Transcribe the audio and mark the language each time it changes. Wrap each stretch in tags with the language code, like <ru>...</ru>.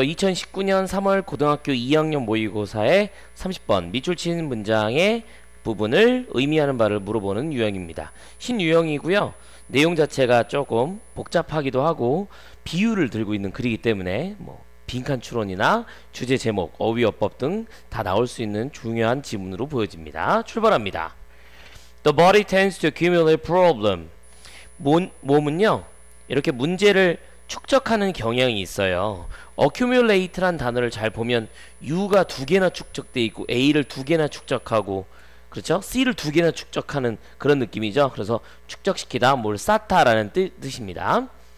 <ko>2019년 3월 고등학교 2학년 모의고사의 30번 밑줄 치는 문장의 부분을 의미하는 말을 물어보는 유형입니다. 신유형이고요. 내용 자체가 조금 복잡하기도 하고 비유를 들고 있는 글이기 때문에 뭐 빈칸 추론이나 주제 제목, 어휘어법 등다 나올 수 있는 중요한 지문으로 보여집니다. 출발합니다.</ko> <en>The body tends to accumulate problem.</en> <ko>몸은요. 이렇게 문제를 축적하는 경향이 있어요. accumulate란 단어를 잘 보면 U가 두 개나 축적돼 있고 A를 두 개나 축적하고 그렇죠? C를 두 개나 축적하는 그런 느낌이죠. 그래서 축적시키다, 뭘 쌓다라는 뜻입니다.</ko>